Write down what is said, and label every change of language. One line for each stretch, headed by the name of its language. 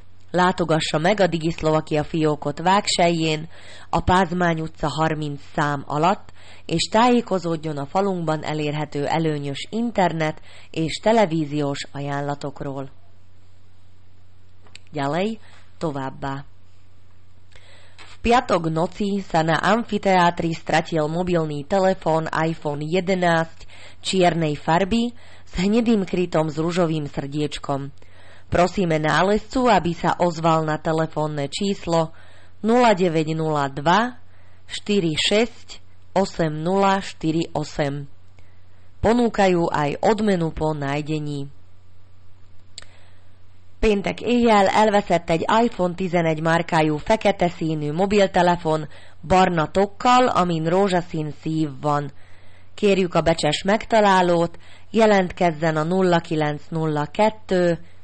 Hungarian: Látogassa meg a Digi Slovakia fiókot Vágsejjén, a Pázmány utca 30 szám alatt, és tájékozódjon a falunkban elérhető előnyös internet és televíziós ajánlatokról.
Slovak: Ďalej,
Hungarian: továbbá.
Slovak: V piatok noci sa na amfiteátri stratil mobilný telefón iPhone 11 čiernej farby s hnedým krytom s ružovým srdiečkom. Prosíme nálezcu, aby sa ozval na telefónne číslo 0902 46 8048. Ponúkajú aj odmenu po nájdení.
Hungarian: Péntek éjjel elveszett egy iPhone 11 márkájú fekete színű mobiltelefon barna tokkal, amin rózsaszín szív van. Kérjük a becses megtalálót, jelentkezzen a 0902